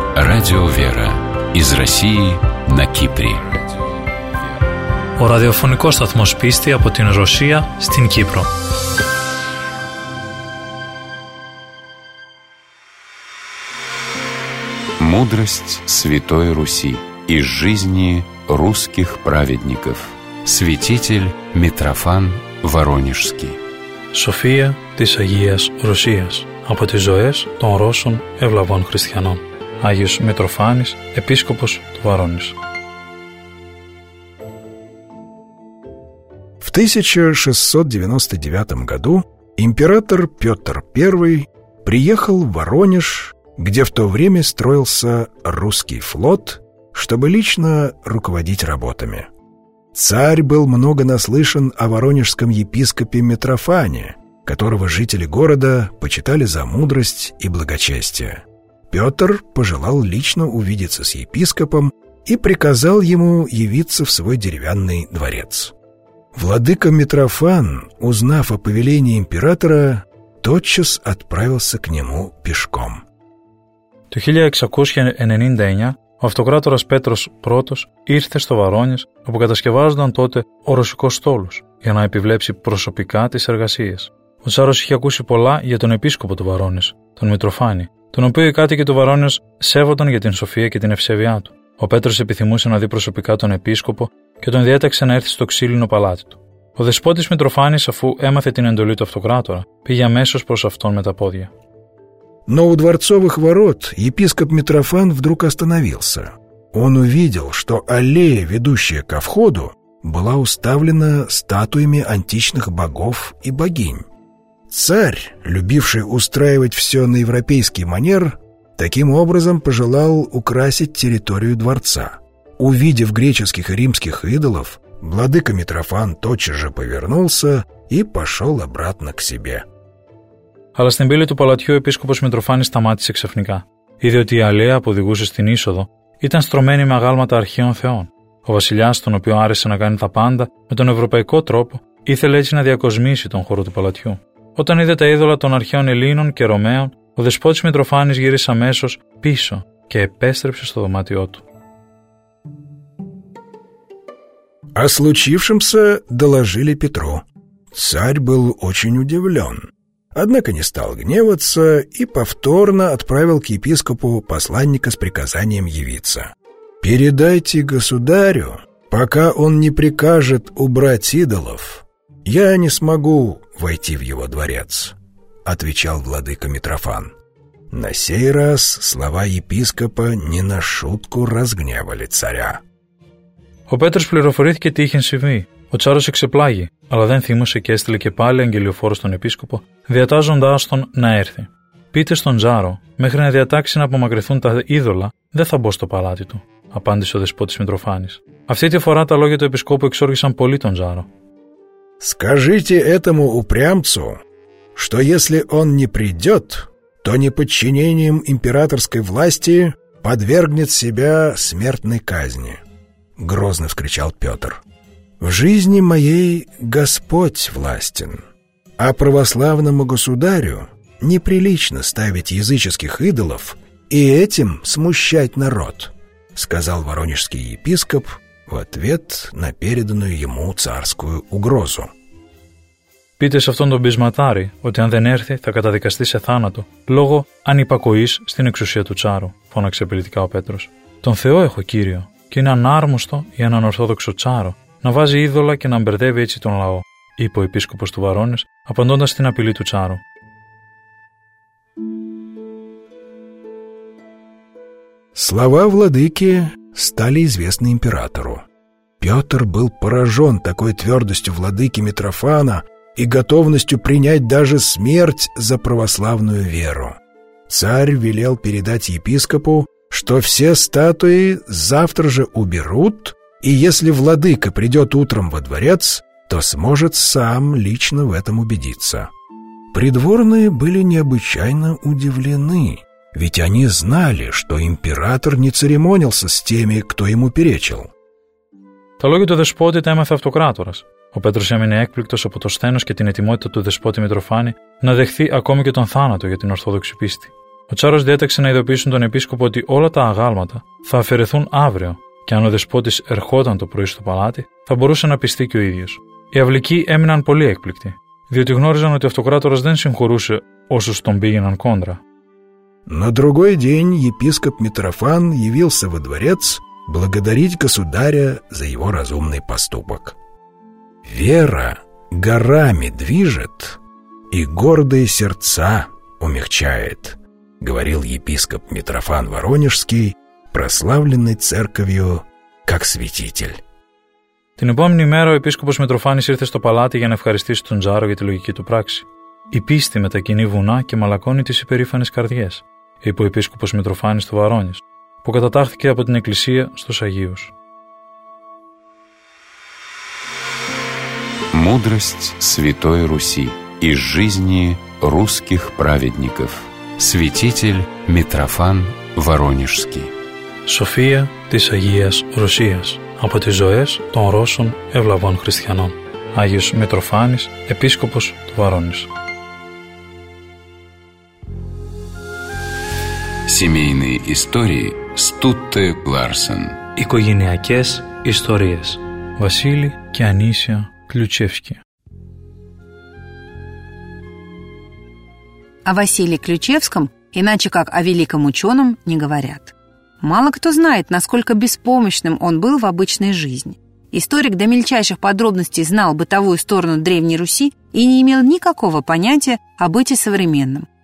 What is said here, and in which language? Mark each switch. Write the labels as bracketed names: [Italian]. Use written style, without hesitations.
[Russian] Радио Вера из России на Кипре. [Greek] Ο ραδιοφωνικός σταθμός πίστη από την Ρωσία στην Κύπρο. [Russian] Мудрость Святой Руси из жизни русских праведников. Святитель Митрофан Воронежский. [Greek] София της Агίας Ρωσίας. από τις ζωές των Ρώσων ευλαβών χριστιανών. Άγιος Μητροφάνης, επίσκοπος του Βαρόνης. [Russian] В 1699 году император Петр I приехал в Воронеж, где в то время строился русский флот, чтобы лично руководить работами. Царь был много наслышан о воронежском епископе Митрофане, которого жители города почитали за мудрость и благочестие. Петр пожелал лично увидеться с епископом и приказал ему явиться в свой деревянный дворец. Владыка Митрофан, узнав о повелении императора, тотчас отправился к нему пешком. [Greek] В 1699 ο αυτοκράτορας Πέτρος I ήρθε στο Βαρόνιες, όπου κατασκευάζονταν τότε ο ρωσικός στόλος, για να επιβλέψει προσωπικά τις εργασίες. Ο Τσάρος είχε ακούσει πολλά για τον επίσκοπο του Βαρόνιες, τον Μητροφάνη, τον οποίο οι κάτοικοι του Βαρόνιες σέβονταν για την σοφία και την ευσέβειά του. Ο Πέτρος επιθυμούσε να δει προσωπικά τον επίσκοπο και τον διέταξε να έρθει στο ξύλινο παλάτι του. Ο δεσπότης Μητροφάνης, αφού έμαθε την εντολή του αυτοκράτορα, πήγε αμέσως προς αυτόν με τα πόδια. [Russian] Но у дворцовых ворот епископ Митрофан вдруг остановился. Он увидел, что аллея, ведущая ко входу, была уставлена статуями античных богов и богинь. Царь, любивший устраивать все на европейский манер, таким образом пожелал украсить территорию дворца. Увидев греческих и римских идолов, владыка Митрофан тотчас же повернулся и пошел обратно к себе. [Greek] Αλλά στην πύλη του παλατιού ο επίσκοπος Μητροφάνης σταμάτησε ξαφνικά. Είδε ότι η αλέα που οδηγούσε στην είσοδο ήταν στρωμένη με αγάλματα αρχαίων θεών. Ο βασιλιάς, τον οποίο άρεσε να κάνει τα πάντα με τον ευρωπαϊκό τρόπο, ήθελε έτσι να διακοσμήσει τον χώρο του παλατιού. Όταν είδε τα είδωλα των αρχαίων Ελλήνων και Ρωμαίων, ο δεσπότης Μητροφάνης γύρισε αμέσως πίσω και επέστρεψε στο δωμάτιό του. [Russian] О случившемся доложили Петру. Царь был очень удивлен. Однако не стал гневаться и повторно отправил к епископу посланника с приказанием явиться. «Передайте государю, пока он не прикажет убрать идолов, я не смогу войти в его дворец», — отвечал владыка Митрофан. На сей раз слова епископа не на шутку разгневали царя. [Greek] Ο Πέτρος πληροφορήθηκε τι είχε συμβεί. Ο Τσάρος εξεπλάγει, αλλά δεν θύμωσε και έστειλε και πάλι αγγελιοφόρο στον επίσκοπο, διατάζοντάς τον να έρθει. «Πείτε στον Τσάρο, μέχρι να διατάξει να απομακρυνθούν τα είδωλα, δεν θα μπω στο παλάτι του», απάντησε ο δεσπότης Μητροφάνης. Αυτή τη φορά τα λόγια του επισκόπου εξόργησαν πολύ τον Τσάρο. [Russian] «Скажите этому упрямцу, что если он не придет, то неподчинением императорской власти подвергнет себя смертной казни», грозно вскричал Петр. «В жизни моей Господь властен, а православному государю неприлично ставить языческих идолов и этим смущать народ», сказал воронежский епископ в ответ на переданную ему царскую угрозу. [Greek] «Пите с αυτόν τον бизматари, ότι αν δεν έρθει, θα καταδικαστεί σε θάνατο, λόγω ανυπακοής στην εξουσία του Τσάρου», φώναξε επιλητικά ο Πέτρος. «Τον Θεό έχω, Κύριο, και είναι ανάρμοστο για έναν ορθόδοξο Τσάρο να βάζει είδωλα και να μπερδεύει έτσι τον λαό», είπε ο επίσκοπος του Βαρόνες, απαντώντας στην απειλή του Τσάρου. [Russian] Слова владыки стали известны императору. Петр был поражен такой твердостью владыки Митрофана и готовностью принять даже смерть за православную веру. Царь велел передать епископу, что все статуи завтра же уберут, и если владыка придет утром во дворец, то сможет сам лично в этом убедиться. Придворные были необычайно удивлены, ведь они знали, что император не церемонился с теми, кто ему перечил. [Greek] Τα λόγια του δεσπότη τα έμαθε αυτοκράτορας. Ο Πέτρος έμεινε έκπληκτος από το σθένος και την ετοιμότητα του δεσπότη Μητροφάνη να δεχθεί ακόμη και τον θάνατο για την ορθόδοξη πίστη. Ο Τσάρος διέταξε να ειδοποιήσουν τον επίσκοπο ότι όλα τα αγάλματα θα αφαιρεθούν αύριο, και αν ο δεσπότης ερχόταν το πρωί στο παλάτι, θα μπορούσε να πιστεί και ο ίδιος. Οι αυλικοί έμειναν πολύ έκπληκτοι, διότι γνώριζαν ότι ο αυτοκράτορας δεν συγχωρούσε όσους τον πήγαιναν κόντρα. [Russian] На другой день епископ Митрофан явился во дворец благодарить государя за его разумный поступок. «Вера горами движет и гордые сердца умягчает», — говорил епископ Митрофан Воронежский, прославленный церковью как святитель. [Greek] Την επόμενη μέρα ο επίσκοπος Μητροφάνης ήρθε στο παλάτι για να ευχαριστήσει τον Τζάρο για τη λογική του πράξη. «Η πίστη μετακινεί βουνά και μαλακώνει τις υπερήφανες καρδιές», είπε ο επίσκοπος Μητροφάνης του Βαρόνης, που κατατάχθηκε από την Εκκλησία στους Αγίους. [Russian] Μούδρость Святой Руси из жизни русских праведников. Святитель Митрофан Воронежский. [Greek] Σοφία της Αγίας Ρωσίας. Από τις ζωές των Ρώσων ευλαβών χριστιανών. Άγιος Μητροφάνης, επίσκοπος του Βαρόνης. [Russian] Семейные истории Стутте Ларсен. [Greek] Οικογενειακές ιστορίες. Βασίλη και Ανίσια Ключевски. [Russian] О Василии Ключевском, иначе как о великом ученом, не говорят. Мало кто знает, насколько беспомощным он был в обычной жизни. Историк до мельчайших подробностей знал бытовую сторону Древней Руси и не имел никакого понятия о быте современном.